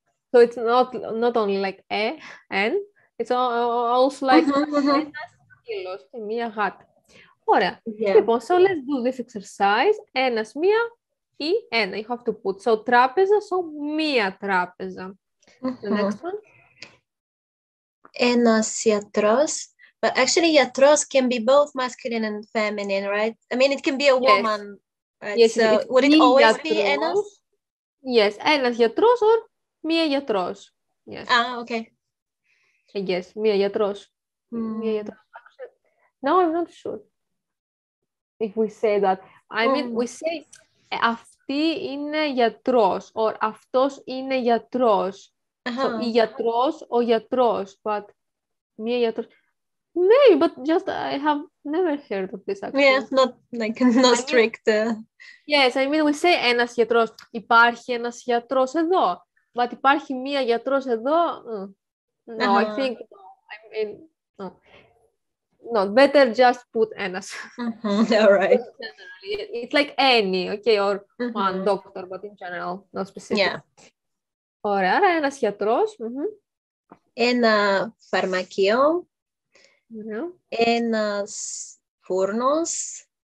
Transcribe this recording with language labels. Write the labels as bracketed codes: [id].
[en] So it's not only like e, n, it's also like kilos, mia gat. [el] Ωραία. Λοιπόν, [en] so let's do this exercise. [el] Ένας, μία, ή ένα. [en] You have to put. So [el] τράπεζα, so μία τράπεζα. [en] The next one. [el] Ένας γιατρός. [en] But actually, γιατρός can be both masculine and feminine, right? I mean, it can be a woman. Yes. Right? Yes, so would it always γιατρός. Be ένας? Yes, [el] ένας γιατρός [en] or... [el] Μία γιατρός. [en] Yes. Ah, okay. Yes, [el] μία γιατρός. Μία γιατρός. [en] Now I'm not sure if we say that. I mean, we say [el] αυτή είναι γιατρός [en] or [el] αυτός είναι γιατρός. [en] So, [el] γιατρός, ο γιατρός. [en] But [el] μία γιατρός. [en] Maybe, but just I have never heard of this actually. Yeah, not like not strict. Yes, I mean, we say [el] ένας γιατρός. Υπάρχει ένας γιατρός εδώ. [en] But [el] υπάρχει μία γιατρός εδώ. [en] No, I think. I mean, no. No, better just put ένας. All right. It's like any, okay, or one doctor, but in general, not specific. Yeah. [el] Ωραία, άρα ένας γιατρός. Ένα φαρμακείο. Ένας φούρνος.